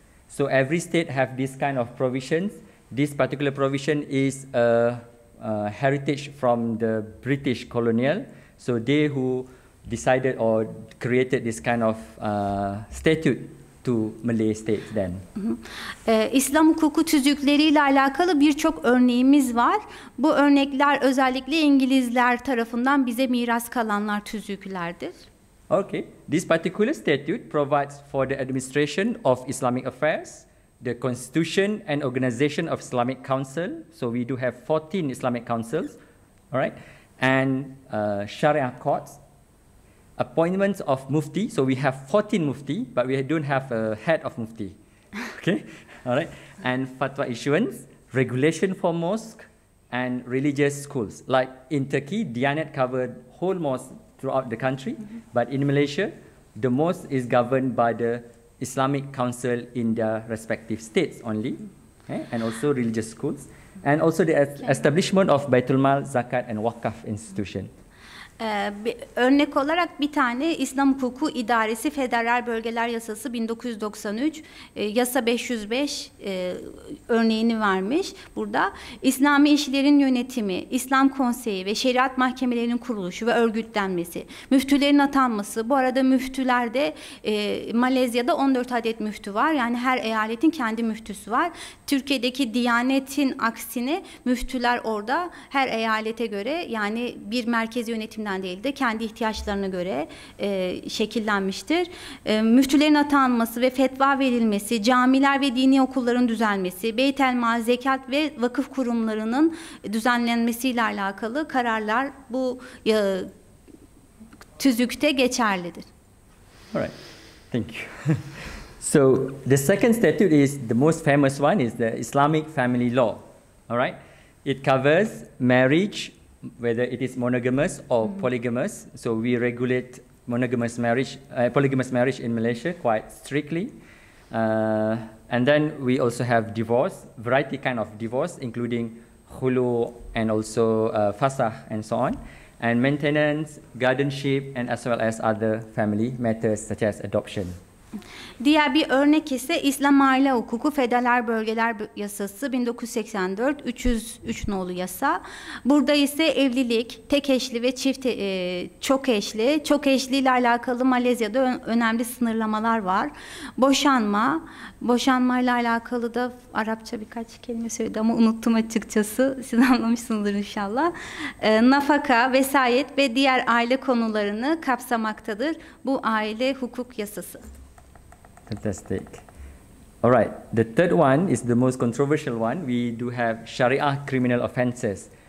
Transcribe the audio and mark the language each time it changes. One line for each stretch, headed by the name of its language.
English: So every state have this kind of provisions. This particular provision is a heritage from the British colonial. So they who decided or created this kind of statute to Malay states then.
Turkish: İslam hukuku tüzükleriyle alakalı birçok örneğimiz var. Bu örnekler özellikle İngilizler tarafından bize miras kalanlar tüzüklerdir.
English: Okay. This particular statute provides for the administration of Islamic affairs. The constitution and organization of Islamic Council. So we do have 14 Islamic councils, all right? And Sharia courts, appointments of mufti. So we have 14 mufti, but we don't have a head of mufti. Okay, all right? And fatwa issuance, regulation for mosque and religious schools. Like in Turkey, Diyanet covered whole mosque throughout the country, mm-hmm. but in Malaysia, the mosque is governed by the Islamic Council in their respective states only, okay? And also religious schools, and also the establishment of Baitul Mal, Zakat and Wakaf institution.
Turkish: Örnek olarak bir tane İslam Hukuku İdaresi Federal Bölgeler Yasası 1993 yasa 505 örneğini vermiş. Burada İslami işlerin yönetimi, İslam Konseyi ve Şeriat Mahkemelerinin kuruluşu ve örgütlenmesi, müftülerin atanması. Bu arada müftülerde Malezya'da 14 adet müftü var. Yani her eyaletin kendi müftüsü var. Türkiye'deki Diyanet'in aksine müftüler orada her eyalete göre, yani bir merkez yönetim değil de kendi ihtiyaçlarına göre şekillenmiştir. Müftülerin atanması ve fetva verilmesi, camiler ve dini okulların düzelmesi, beytel mal, zekat ve vakıf kurumlarının düzenlenmesiyle alakalı kararlar bu tüzükte geçerlidir.
English: All right. Thank you. So the second statute is the most famous one is the Islamic family law. All right? It covers marriage, whether it is monogamous or polygamous. So we regulate monogamous marriage, polygamous marriage in Malaysia quite strictly. And then we also have divorce, variety kind of divorce, including khulu and also fasakh and so on, and maintenance, guardianship, and as well as other family matters such as adoption.
Turkish: Diğer bir örnek ise İslam Aile Hukuku Federal Bölgeler Yasası 1984 303 nolu yasa. Burada ise evlilik, tek eşli ve çift çok eşli, çok eşli ile alakalı Malezya'da önemli sınırlamalar var. Boşanma, boşanmayla alakalı da Arapça birkaç kelime söyledi ama unuttum açıkçası. Siz anlamışsınızdır inşallah. Nafaka, vesayet ve diğer aile konularını kapsamaktadır bu aile hukuk yasası.
English: Fantastic. All right, the third one is the most controversial one. We do have Sharia criminal offenses.